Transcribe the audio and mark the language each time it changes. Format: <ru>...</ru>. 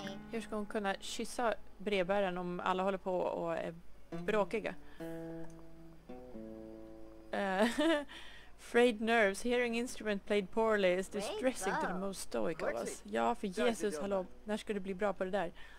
<sv>Hur ska hon kunna kyssa brevbäraren om alla håller på och är bråkiga?</sv> <en>Frayed nerves, hearing instrument played poorly is distressing to the most stoic of us.</en> <sv>Ja, för Jesus, hallå, när ska du bli bra på det där?</sv>